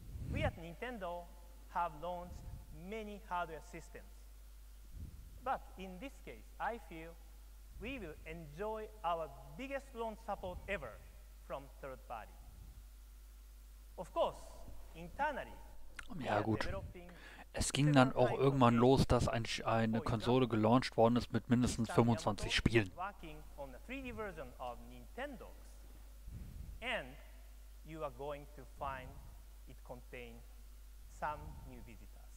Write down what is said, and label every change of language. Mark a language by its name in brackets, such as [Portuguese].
[English] We at Nintendo have launched many hardware systems. But in this case, I feel we will enjoy our biggest launch support ever from third party. Of course, internally, [German] ja gut. Es ging dann auch irgendwann los, dass eine Konsole gelauncht worden ist mit mindestens 25 Spielen. [English] Working on the 3D version of Nintendo, and you are going to find it contains some new visitors.